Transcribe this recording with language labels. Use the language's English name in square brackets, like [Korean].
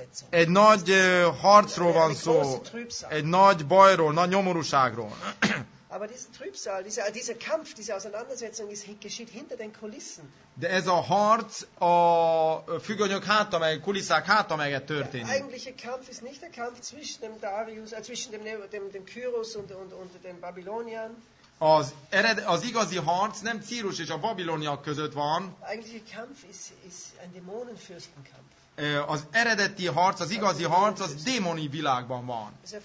[Hungarian] Egy nagy harcról van szó, egy nagy bajról, nagy nyomorúságról. [German] Aber diese Trübsal, dieser Kampf, diese Auseinandersetzung geschieht hinter den Kulissen. [Hungarian] De ez a harc a függönyök háta meg, kulisszák háta meg történik. [German] Der eigentliche Kampf ist nicht der Kampf zwischen dem Darius, zwischen dem Kyros und den Babyloniern. [Hungarian] Az igazi harc nem Círus és a Babiloniak között van. [German] Der eigentliche Kampf ist ein Dämonenfürstenkampf. [Hungarian] Az eredeti harc, az igazi harc, az démoni világban van.